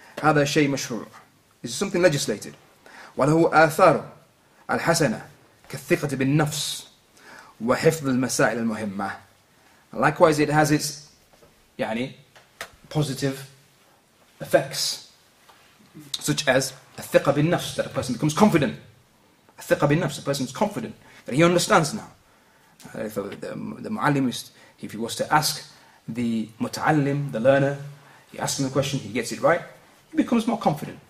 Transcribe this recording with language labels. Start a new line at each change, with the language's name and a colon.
Arabic: هذا شيء مشروع,
English: this is something legislated.
Arabic: وله آثار الحسنة كالثقة بالنفس وحفظ المسائل المهمة.
English: Likewise, it has its يعني positive effects, such as
Arabic: الثقة بالنفس,
English: that a person becomes confident.
Arabic: الثقة بالنفس,
English: a person is confident that he understands now. The معلم, if he was to ask the متعلم, the learner, he asks him a question, he gets it right, he becomes more confident.